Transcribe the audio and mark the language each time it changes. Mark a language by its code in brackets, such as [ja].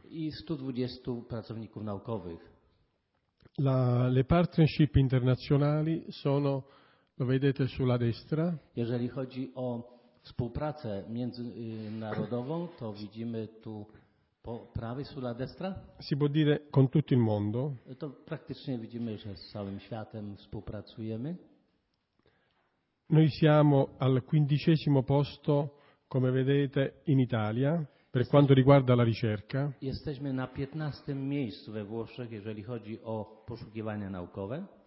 [pl] I 120 pracowników naukowych. [it] Le partnership internazionali sono, lo vedete sulla destra. [pl] Jeżeli chodzi o współpracę międzynarodową, to widzimy tu po prawej [it] sulla destra. Si può dire con tutto il mondo. [pl] To praktycznie widzimy, że z całym światem współpracujemy. [it] Noi siamo al 15° posto, come vedete, in Italia, per quanto riguarda la ricerca. [pl] Jesteśmy na 15 miejscu we Włoszech, jeżeli chodzi o poszukiwania naukowe.